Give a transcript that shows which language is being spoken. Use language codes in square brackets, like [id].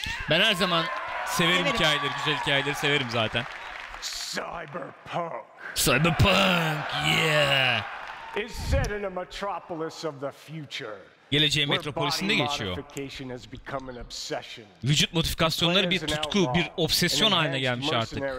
[tr] Ben her zaman severim hikayeleri, güzel hikayeleri severim zaten. [en] Cyberpunk. Cyberpunk, yeah. Is set in a metropolis of the future. [tr] geleceğin metropolisinde geçiyor. Vücut modifikasyonları bir tutku, bir obsesyon haline gelmiş artık.